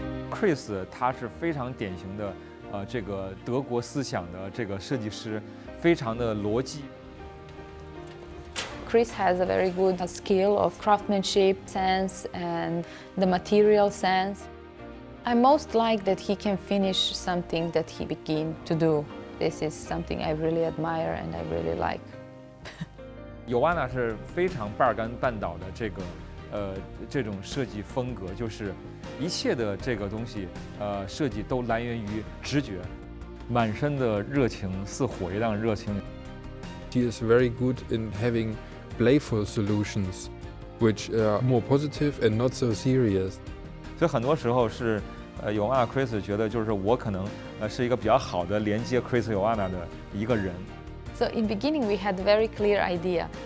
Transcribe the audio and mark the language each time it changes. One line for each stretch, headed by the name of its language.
Chinese: Chris 他是非常典型的这个德国思想的这个设计师，非常的逻辑。
English: Chris has a very good skill of craftsmanship sense and the material sense. I most like that he can finish something that he began to do. This is something I really admire and I really like.
Chinese: Jovana 是非常半岛的这种设计风格，就是一切的这个东西，设计都来源于直觉，满身的热情似火一样热情。
English: She is very good in having playful solutions, which are more positive and not so serious.
Chinese: 所以很多时候是，Jovana Chris 觉得就是我可能是一个比较好的连接 Chris Jovana 的一个人。
English: So in the beginning, we had a very clear idea.